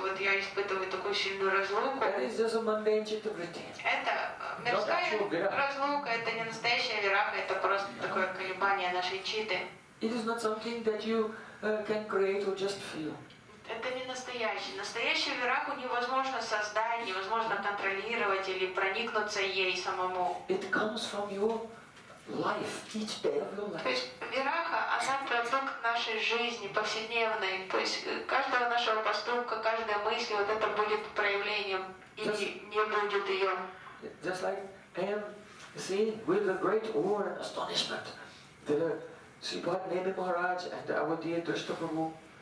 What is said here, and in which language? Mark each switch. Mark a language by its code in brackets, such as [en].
[ru] Вот я испытываю такую сильную разлуку. Это мирская разлука, это не настоящая вираха, это просто такое колебание нашей читы. [en] It is not something that you can create or just feel. [ru] Это не настоящий. Настоящую вираху невозможно создать, невозможно контролировать или проникнуться ей самому. [en] It comes from your life, each day of your life. [ru] То есть вираха, она продукт нашей жизни повседневной. То есть каждого нашего поступка, каждой мысли, вот это будет проявлением или не будет ее. [en] Just like M, see, with a great awe and astonishment, the Sripad Nemi Maharaj and our dear Drishta Prabhu.